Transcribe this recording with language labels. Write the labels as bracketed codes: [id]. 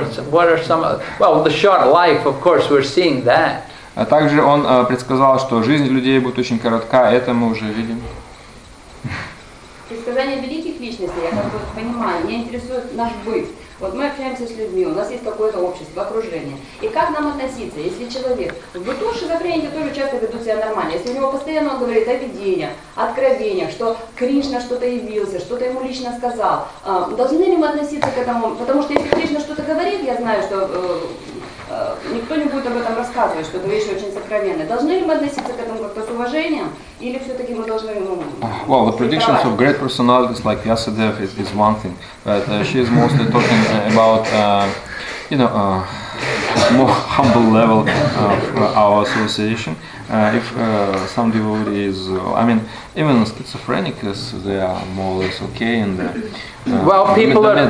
[en] What are some the short life, of course, we're seeing that. [ru] Также он предсказал, что жизнь людей будет очень коротка, это мы уже видим. Предсказания великих личностей, я как бы понимаю, меня интересует наш быт. Вот мы общаемся с людьми, у нас есть какое-то общество, окружение. И как нам относиться, если человек в быту шизофреники тоже часто ведут себя нормально. Если у него постоянно он говорит о видениях, откровениях, что Кришна что-то явился, что-то ему лично сказал, должны ли мы относиться к этому? Потому что если Кришна что-то говорит, я знаю, что никто не будет об этом рассказывать, что это вещи очень сокровенные. Должны ли мы относиться к этому как-то с уважением? [en] Well, the predictions of great personalities like Vyasadeva is one thing, but she is mostly talking about, more humble level of our association. If some devotee is, even schizophrenic, they are more or less okay in the